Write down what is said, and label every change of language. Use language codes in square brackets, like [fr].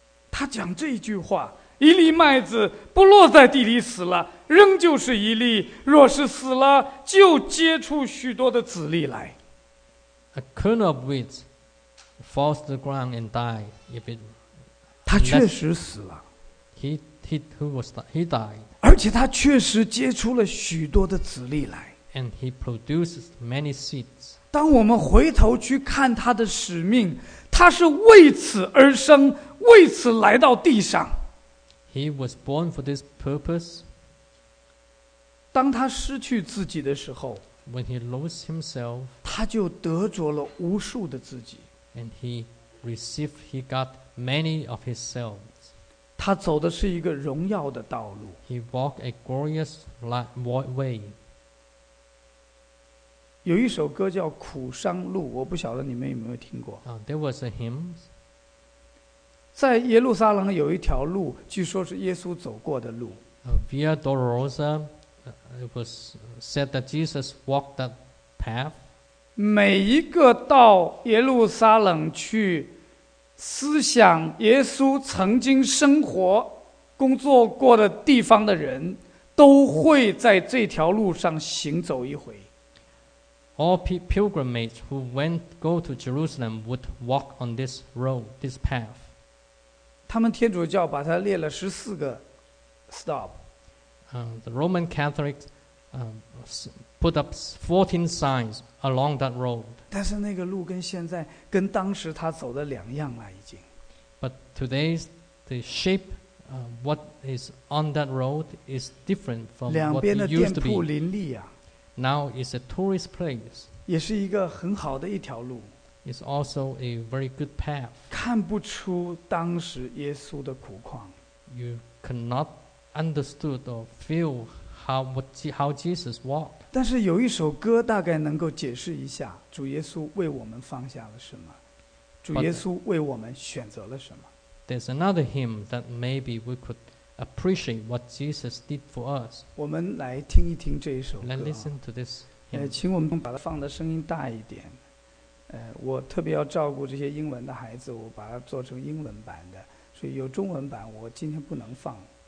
[zh] 他讲这句话，一粒麦子不落在地里死了，仍旧是一粒；若是死了，就结出许多的籽粒来。 [en] A kernel of wheat falls to the ground and die. If it, [zh] 他确实死了。 [en] He died. [zh] 而且他确实结出了许多的籽粒来。 [en] And he produces many seeds. [zh] 当我们回头去看他的使命，他是为此而生，为此来到地上。 [en] He was born for this purpose. [zh] 当他失去自己的时候 [en] ，When he lost himself, [zh] 他就得着了无数的自己。 [en] And he received, he got many of himself. [zh] 他走的是一个荣耀的道路。 [en] He walked a glorious way. [zh] 有一首歌叫《苦伤路》，我不晓得你们有没有听过。 [en] There was a hymn. [zh] 在耶路撒冷有一条路，据说是耶稣走过的路。 [en] Via Dolorosa, it was said that Jesus walked that path. [zh] 每一个到耶路撒冷去思想耶稣曾经生活工作过的地方的人都会在这条路上行走一回。 [en] All pilgrimage who went go to Jerusalem would walk on this road, this path. [zh] 他们天主教把它列了14个 stop. [en] The Roman Catholics put up 14 signs along that road. [zh] 但是那个路跟现在跟当时他走的两样了，已经。 [en] But today, the shape, what is on that road is different from what it used to be. [zh] 两边的店铺林立啊。 [en] Now it's a tourist place. [zh] 也是一个很好的一条路。 [en] It's also a very good path. [zh] 看不出当时耶稣的苦况。 [en] You cannot understood or feel how Jesus walked. [zh] 但是有一首歌大概能够解释一下主耶稣为我们放下了什么，主耶稣为我们选择了什么。 [en] There's another hymn that maybe we could appreciate what Jesus did for us. [zh] 我们来听一听这一首歌。 [en] Let's listen to this hymn. [zh] 请我们把它放的声音大一点。我特别要照顾这些英文的孩子，我把它做成英文版的，所以有中文版我今天不能放。